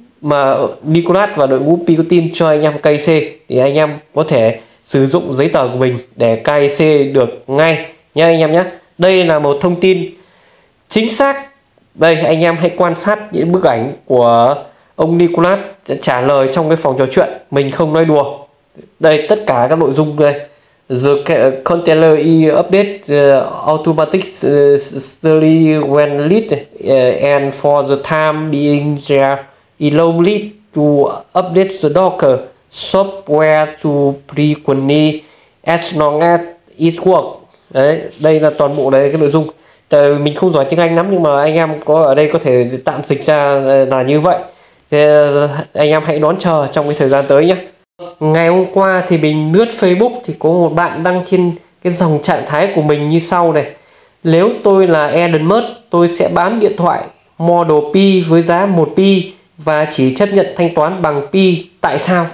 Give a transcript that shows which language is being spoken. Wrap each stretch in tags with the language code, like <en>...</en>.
<vi>mà Nicolas và đội ngũ Picotin cho anh em KYC thì anh em có thể sử dụng giấy tờ của mình để KYC được ngay nhé anh em nhé. Đây là một thông tin chính xác. Đây anh em hãy quan sát những bức ảnh của ông Nicolas trả lời trong cái phòng trò chuyện, mình không nói đùa. Đây tất cả các nội dung đây.</vi> <en>The container is updated automatically when lit and for the time being there is no need to update the Docker software to frequently as long as it works.</en> <vi>Đấy, đây là toàn bộ đấy cái nội dung. Tại mình không giỏi tiếng Anh lắm nhưng mà anh em có ở đây có thể tạm dịch ra là như vậy. Thì anh em hãy đón chờ trong cái thời gian tới nhé. Ngày hôm qua thì mình lướt Facebook thì có một bạn đăng trên cái dòng trạng thái của mình như sau này: nếu tôi là Elon Musk, tôi sẽ bán điện thoại Model P với giá 1 P và chỉ chấp nhận thanh toán bằng P. Tại sao?</vi>